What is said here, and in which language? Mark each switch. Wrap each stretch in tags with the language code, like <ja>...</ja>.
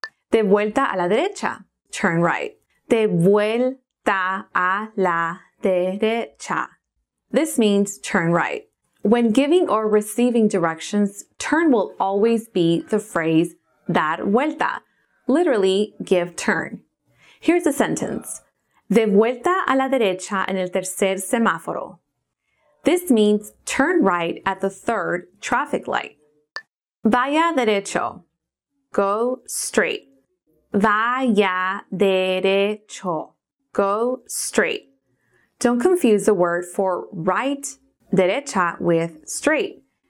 <es>De vuelta a la derecha,</es> <en>turn right.</en> <es>De vuelta a la derecha.</es> <en>This means turn right. When giving or receiving directions, turn will always be the phrase dar vuelta, literally give turn. Here's a sentence.</en> <es>De vuelta a la derecha en el tercer semáforo.</es> <en>This means turn right at the third traffic light.</en> <es>Vaya derecho.</es> <en>Go straight.</en> <es>Vaya derecho.</es> <en>Go straight. Don't confuse the word for right derecha with straight.</en>